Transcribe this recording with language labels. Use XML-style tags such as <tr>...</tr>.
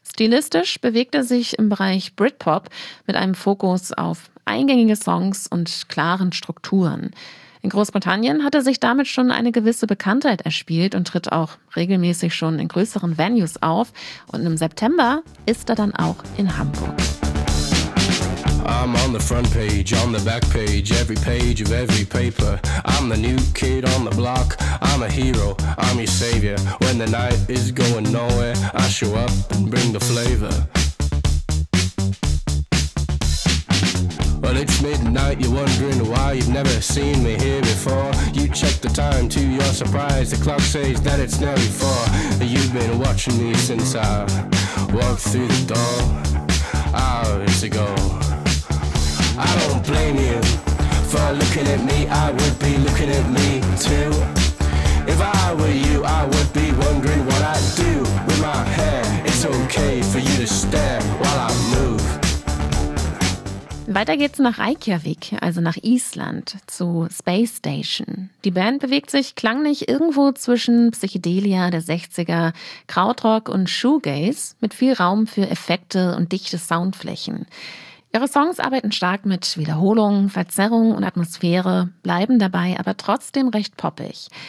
<de>Stilistisch bewegt er sich im Bereich Britpop mit einem Fokus auf eingängige Songs und klaren Strukturen. In Großbritannien hat er sich damit schon eine gewisse Bekanntheit erspielt und tritt auch regelmäßig schon in größeren Venues auf. Und im September ist er dann auch in Hamburg.</de> <en>I'm on the front page, on the back page, every page of every paper. I'm the new kid on the block, I'm a hero, I'm your savior. When the night is going nowhere, I show up and bring the flavor. It's midnight, you're wondering why you've never seen me here before. You check the time to your surprise, the clock says that it's now before. You've been watching me since I walked through the door hours ago. I don't blame you for looking at me, I would be looking at me too. If I were you, I would be wondering what I'd do with my hair. It's okay for you to stare while I move.</en> <de>Weiter geht's nach Reykjavik, also nach Island, zu Space Station. Die Band bewegt sich klanglich irgendwo zwischen Psychedelia der 60er, Krautrock und Shoegaze mit viel Raum für Effekte und dichte Soundflächen. Ihre Songs arbeiten stark mit Wiederholung, Verzerrung und Atmosphäre, bleiben dabei aber trotzdem recht poppig.</de>